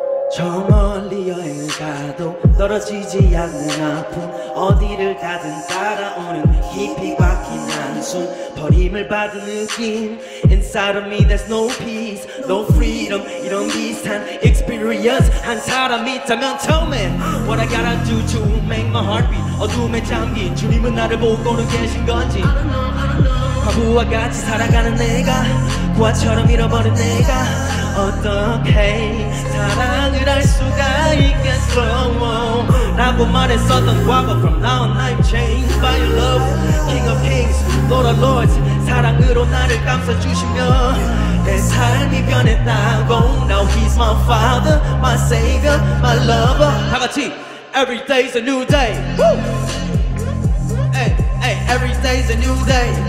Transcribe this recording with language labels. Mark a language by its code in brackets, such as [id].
[ko] 저 멀리 여행을 가도 떨어지지 않는 아픔, 어디를 가든 따라오는 깊이 곽힌 한숨, 버림을 받은 느낌. [en] Inside of me there's no peace, no freedom. [ko] 이런 비슷한 experience 한 사람 있다면 [en] tell me what I gotta do to make my heart beat. [ko] 어둠에 잠긴 주님은 나를 보고는 계신 건지. [en] I don't know, I don't know. [ko] 과부와 같이 살아가는 내가, 고아처럼 잃어버린 내가 어떻게 사랑을 할 수가 있겠어. Whoa. 라고 말했었던 과거. [en] From now on I'm changed by your love. King of kings, Lord of lords. [ko] 사랑으로 나를 감싸주시면 내 삶이 변했다고. [en] Now he's my father, my savior, my lover. [ko] 다 같이. [en] Every day's a new day. Woo! Hey, hey, every day's a new day.